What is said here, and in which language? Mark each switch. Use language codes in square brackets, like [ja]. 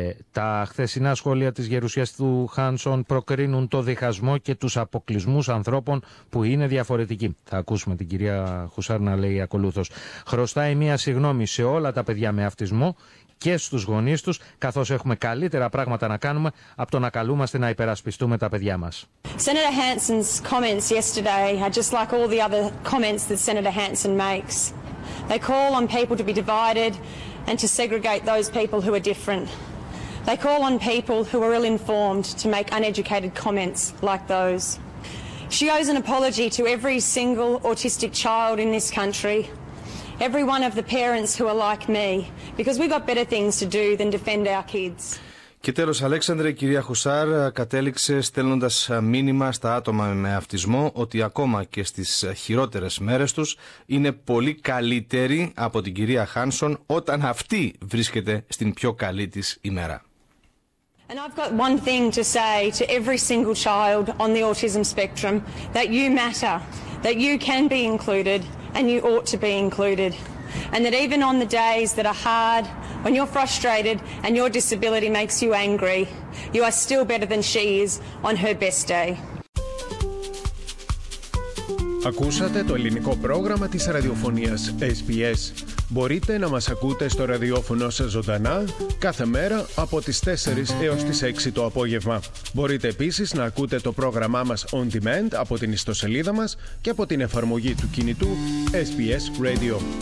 [el] Τα χθεσινά σχόλια της γερουσιαστού Χάνσον προκρίνουν το διχασμό και τους αποκλεισμούς ανθρώπων που είναι διαφορετικοί. Θα ακούσουμε την κυρία Χουσάρ να λέει ακολούθως. Χρωστάει μία συγγνώμη σε όλα τα παιδιά με αυτισμό και στους γονείς τους, καθώς έχουμε καλύτερα πράγματα να κάνουμε από το να καλούμαστε να υπερασπιστούμε τα παιδιά μας. [en] Senator Hanson's comments yesterday are just like all the other comments that Senator Hanson makes. They call on people to be divided and to segregate those people who are different. They call on people who are ill-informed to make uneducated comments like those. She owes an apology to every single autistic child in this country, every one of the parents who are like me, because we've got better things to do than defend our kids. [el] Και τέλος, Αλέξανδρε, η κυρία Χουσάρ κατέληξε στέλνοντας μήνυμα στα άτομα με αυτισμό ότι ακόμα και στις χειρότερες μέρες τους είναι πολύ καλύτερη από την κυρία Χάνσον όταν αυτή βρίσκεται στην πιο καλή της ημέρα. [en] And I've got one thing to say to every single child on the autism spectrum, that you matter, that you can be included and you ought to be included. And that even on the days that are hard, when you're frustrated and your disability makes you angry, you are still better than she is on her best day. [el] Ακούσατε το ελληνικό πρόγραμμα της ραδιοφωνίας SBS. Μπορείτε να μας ακούτε στο ραδιόφωνο σας ζωντανά κάθε μέρα από τις 4 έως τις 6 το απόγευμα. Μπορείτε επίσης να ακούτε το πρόγραμμά μας On Demand από την ιστοσελίδα μας και από την εφαρμογή του κινητού SBS Radio.